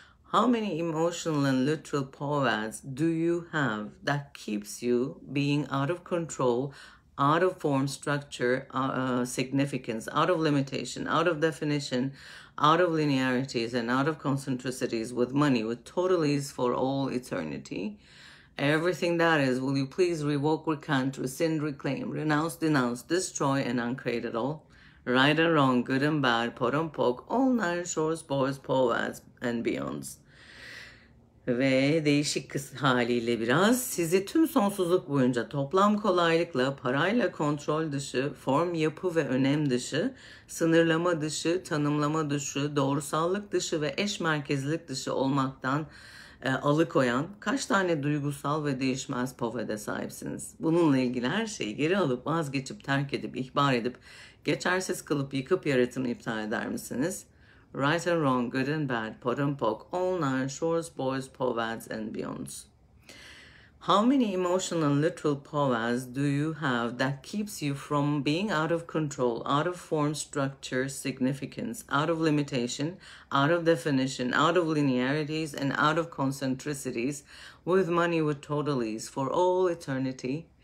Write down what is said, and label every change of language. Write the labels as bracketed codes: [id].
[en] How many emotional and literal poets do you have that keeps you being out of control, out of form, structure, significance, out of limitation, out of definition, out of linearities, and out of concentricities with money, with totalities for all eternity? Everything that is, will you please revoke, recant, rescind, reclaim, renounce, denounce, destroy, and uncreate it all? Right and wrong, good and bad, pot and poke, all nine shorts, boys, poets, and beyonds. [tr] Ve değişik haliyle biraz sizi tüm sonsuzluk boyunca toplam kolaylıkla, parayla kontrol dışı, form yapı ve önem dışı, sınırlama dışı, tanımlama dışı, doğrusallık dışı ve eş merkezlik dışı olmaktan alıkoyan kaç tane duygusal ve değişmez povede sahipsiniz? Bununla ilgili her şeyi geri alıp, vazgeçip, terk edip, ihbar edip, geçersiz kılıp, yıkıp yaratımı iptal eder misiniz? [en] Right and wrong, good and bad, pot and poke, all nine shorts, boys, povets, and beyonds. How many emotional and literal povets do you have that keeps you from being out of control, out of form, structure, significance, out of limitation, out of definition, out of linearities, and out of concentricities, with money with totalities for all eternity?